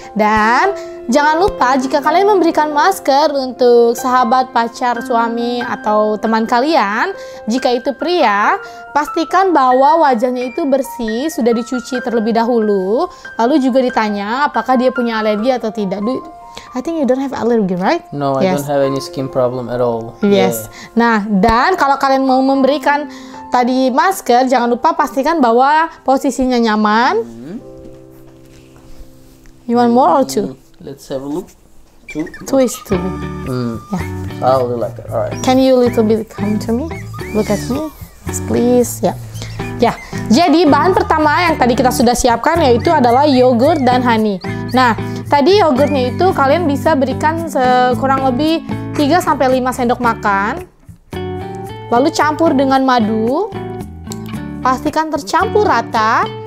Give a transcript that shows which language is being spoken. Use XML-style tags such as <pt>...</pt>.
<id>Dan jangan lupa jika kalian memberikan masker untuk sahabat, pacar, suami, atau teman kalian, jika itu pria, pastikan bahwa wajahnya itu bersih, sudah dicuci terlebih dahulu, lalu juga ditanya apakah dia punya alergi atau tidak.</id> <en>I think you don't have allergy, right? No, I don't have any skin problem at all.</en> <id>Yes. Nah, dan kalau kalian mau memberikan tadi masker, jangan lupa pastikan bahwa posisinya nyaman.</id> <en>You want more or two? Let's have a look. Two. Twist to me. Yeah. I'll do like that. All right. Can you a little bit come to me? Look at me. Yes, please. Yeah. Yeah.</en> <id>Jadi bahan pertama yang tadi kita sudah siapkan yaitu adalah yogurt dan honey. Nah, tadi yogurtnya itu kalian bisa berikan kurang lebih 3-5 sendok makan. Lalu campur dengan madu. Pastikan tercampur rata.</id>